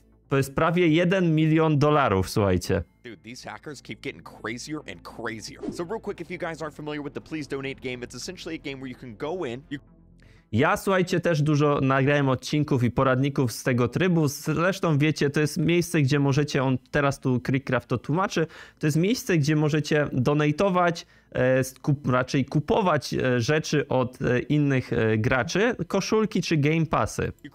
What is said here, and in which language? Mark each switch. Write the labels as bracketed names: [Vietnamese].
[Polish] To jest prawie 1 milion dolarów, słuchajcie. [English] Dude, these hackers keep getting crazier and crazier. So real quick, if you guys aren't familiar with the Please Donate game, it's essentially a game where you can go in. [Polish] Ja, słuchajcie, też dużo nagrałem odcinków i poradników z tego trybu. Zresztą wiecie, to jest miejsce, gdzie możecie, on teraz tu Creekcraft to tłumaczy, to jest miejsce, gdzie możecie donatować, raczej kupować rzeczy od innych graczy, koszulki czy game passy.